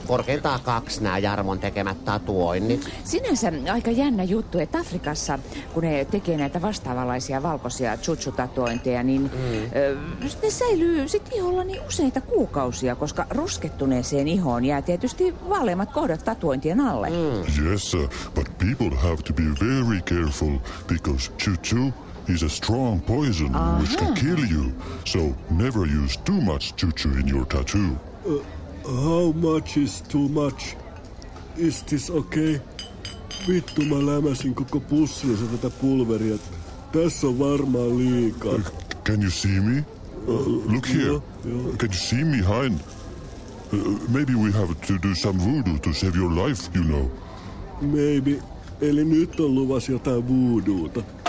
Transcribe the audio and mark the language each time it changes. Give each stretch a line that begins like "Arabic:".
Finnish: Korkeintaan kaksi nää Jarmon tekemät tatuoinnit. Sinänsä aika jännä juttu, että Afrikassa, kun ne tekee näitä vastaavanlaisia valkoisia chuchu-tatuointeja, niin ne säilyy sit iholla niin useita kuukausia, koska ruskettuneeseen ihoon jää tietysti vaaleimmat kohdat tatuointien alle. Mm.
English: Yes, but people have to be very careful, because chuchu is a strong poison which can kill you. So never use too much chuchu in your tattoo. How much is too much? Is this okay?
Finnish: Vittu, mä lämäsin koko pussilla tätä pulveria. Tässä on varmaan liikaa.
English: Can you see me? Look here. Can you see me, Hein? Maybe we have to do some voodoo to save your life, you know. Maybe.
Finnish: Eli nyt on luvassa jotain voodoota.